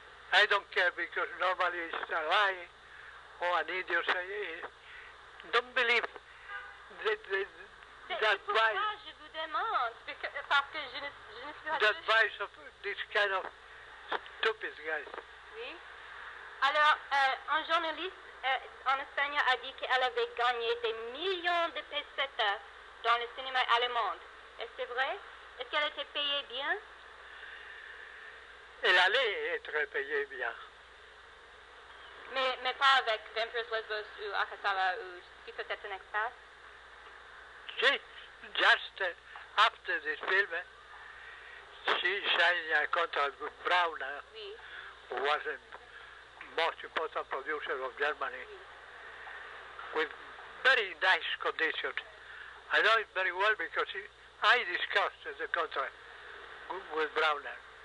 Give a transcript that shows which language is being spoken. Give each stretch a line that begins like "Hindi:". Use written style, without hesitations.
English: I don't care because normally it's a lie or an idiot. Don't believe. The advice of this kind of stupid guys.
French: Oui. Alors, un journaliste en Espagne a dit qu'elle avait gagné des millions de pesetas dans le cinéma allemand. Est-ce vrai? Est-ce qu'elle était payée bien? Elle allait être payée bien. Mais pas avec Vampires Lesbos ou Akasala ou si peut-être un expert?
English: Just after this film, she signed a contract with Brauner,
French: oui,
English: who was the most important producer of Germany,
French: oui,
English: with very nice conditions. I know it very well because I discussed the contract with Brauner.